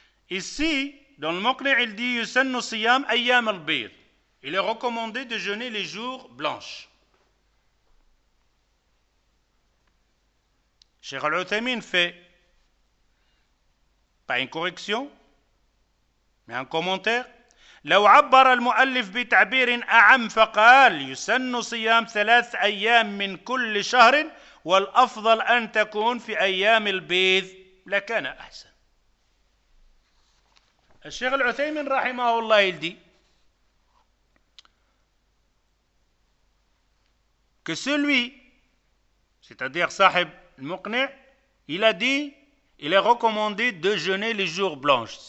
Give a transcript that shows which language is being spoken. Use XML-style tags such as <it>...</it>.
<fr>Ici, dans le Mokne, il dit</fr> <ar>Yusannu Siyam Ayyam al-Bir.</ar> <fr>Il est recommandé de jeûner les jours blanches. Cheikh Al-Uthaymin fait pas une correction, mais un commentaire.</fr> <ar>لو عبر المؤلف بتعبير أعم فقال يسن صيام ثلاث أيام من كل شهر والأفضل أن تكون في أيام البيض لكان أحسن. الشيخ العثيمين رحمه الله يلدي</ar> <fr>que celui c'est-à-dire صاحب المقنع il a dit il est recommandé de jeûner les jours blanches.</fr>